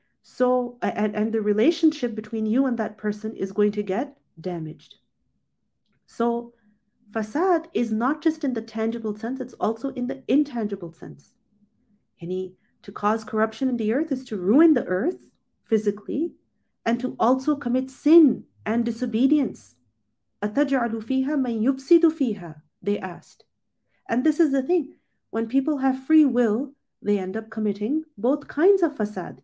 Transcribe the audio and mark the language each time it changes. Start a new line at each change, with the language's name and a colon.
English: So, and the relationship between you and that person is going to get damaged. So, fasad is not just in the tangible sense, it's also in the intangible sense. To cause corruption in the earth is to ruin the earth physically, and to also commit sin and disobedience.
Arabic: أَتَجْعَلُ فِيهَا مَنْ يُفْسِدُ فِيهَا,
English: they asked. And this is the thing, when people have free will, they end up committing both kinds of fasad.